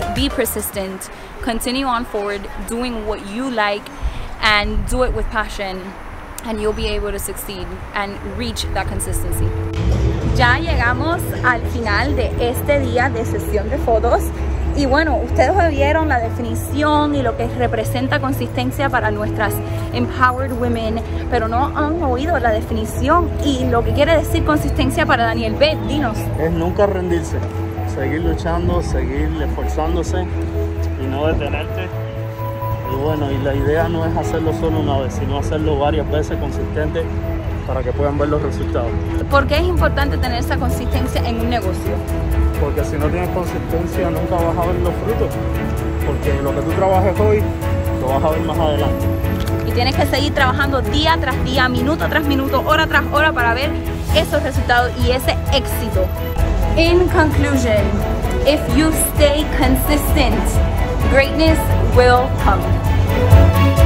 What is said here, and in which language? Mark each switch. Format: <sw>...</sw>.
<en>Persistent, continue on forward doing what you like and do it with passion and you'll be able to succeed and reach that consistency.</en> <es>Ya llegamos al final de este día de sesión de fotos y bueno, ustedes vieron la definición y lo que representa consistencia para nuestras</es> <en>empowered women,</en> <es>pero no han oído la definición y lo que quiere decir consistencia para Daniel B. Dinos. Es nunca rendirse. Seguir luchando, seguir esforzándose y no detenerte. Y bueno, y la idea no es hacerlo solo una vez, sino hacerlo varias veces consistente para que puedan ver los resultados. ¿Por qué es importante tener esa consistencia en un negocio? Porque si no tienes consistencia, nunca vas a ver los frutos. Porque lo que tú trabajes hoy, lo vas a ver más adelante. Y tienes que seguir trabajando día tras día, minuto tras minuto, hora tras hora para ver esos resultados y ese éxito.</es> <en>In conclusion, if you stay consistent, greatness will come.</en>